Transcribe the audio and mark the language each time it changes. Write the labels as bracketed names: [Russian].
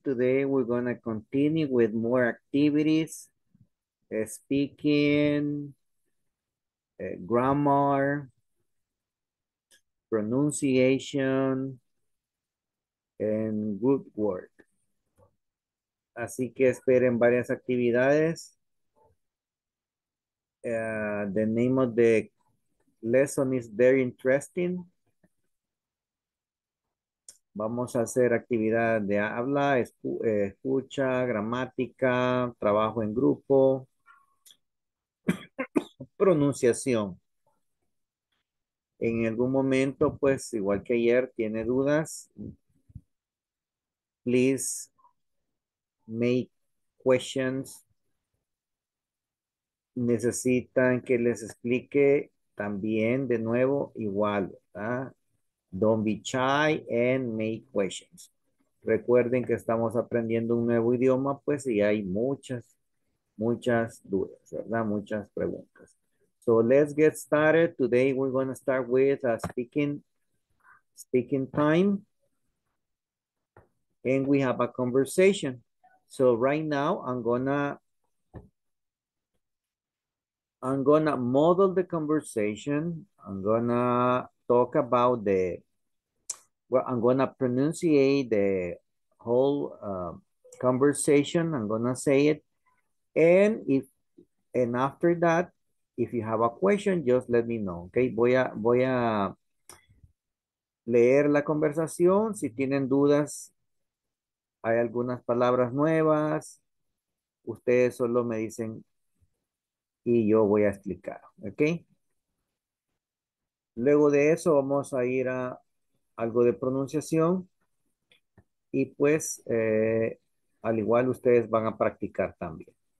[English] Today we're going to continue with more activities, speaking, grammar, pronunciation, and good work. [Spanish] Así que esperen varias actividades. [English] The name of the lesson is very interesting. [Spanish] Vamos a hacer actividad de habla, escucha, gramática, trabajo en grupo, pronunciación. En algún momento, pues, igual que ayer, tiene dudas, [English] please make questions. [Spanish] Necesitan que les explique también de nuevo igual, ¿verdad? [English] Don't be shy and make questions. [Spanish] Recuerden que estamos aprendiendo un nuevo idioma, pues, y hay muchas, muchas dudas, ¿verdad? Muchas preguntas. [English] So let's get started. Today we're going to start with a speaking time. And we have a conversation. So right now I'm gonna model the conversation. I'm gonna talk about the, well, I'm gonna pronounce the whole conversation. I'm gonna say it. And after that, if you have a question, just let me know, okay? [Spanish] Voy a leer la conversación. Si tienen dudas, hay algunas palabras nuevas, ustedes solo me dicen y yo voy a explicar, ¿ok? Luego de eso vamos a ir a algo de pronunciación y pues al igual ustedes van a practicar también.